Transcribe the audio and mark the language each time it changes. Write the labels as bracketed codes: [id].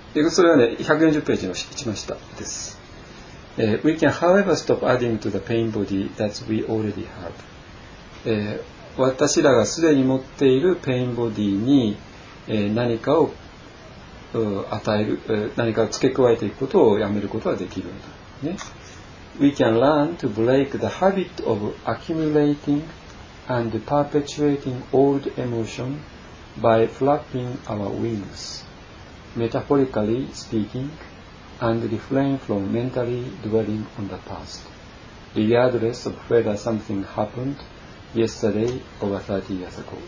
[ja] それはね、140ページの一番下です。 [en] We can however stop adding to the pain body that we already have。 [ja] 私らがすでに持っているペインボディに、何かを与える、何かを付け加えていくことをやめることはできるんだ。 [en] ね、We can learn to break the habit of accumulating and perpetuating old emotion by flapping our wings. metaphorically speaking, and refrain from mentally dwelling on the past, regardless of whether something happened yesterday or 30 years ago.